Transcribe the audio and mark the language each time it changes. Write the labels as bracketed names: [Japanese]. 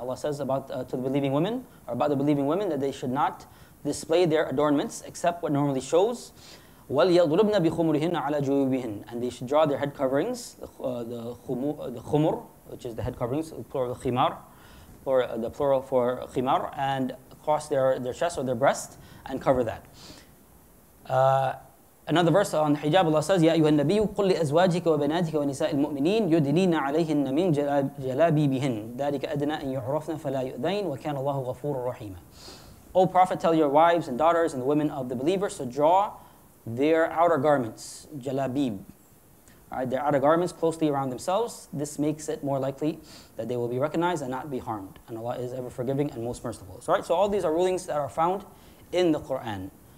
[English] Allah says about to the believing women, or about the believing women, that they should not display their adornments except what normally shows. [Arabic] وَلْيَضْرِبْنَ بِخُمُرِهِنَّ عَلَى جُيُوبِهِنَّ. [English] And they should draw their head coverings, the khumur, which is the head coverings, plural khimar, or the plural for khimar, and cross their chest or their breast and cover that. Another verse on hijab, Allah says, [Arabic] يَا أَيُّهَا النَّبِيُّ قُلْ لِأَزْوَاجِكَ وَبَنَاتِكَ وَنِسَاءِ الْمُؤْمِنِينَ يُدْنِينَ عَلَيْهِنَّ مِنْ جَلَابِيبِهِنَّ ذَلِكَ أَدْنَى أَنْ يُعْرَفْنَ فَلَا يُؤْذَيْنَ وَكَانَ اللَّهُ غَفُورٌ رَحِيمًا. [English] O Prophet, tell your wives and daughters and the women of the believers to draw their outer garments, jalabib, right, their outer garments closely around themselves. This makes it more likely that they will be recognized and not be harmed. And Allah is ever forgiving and most merciful. So, right, so all these are rulings that are found in the Quran.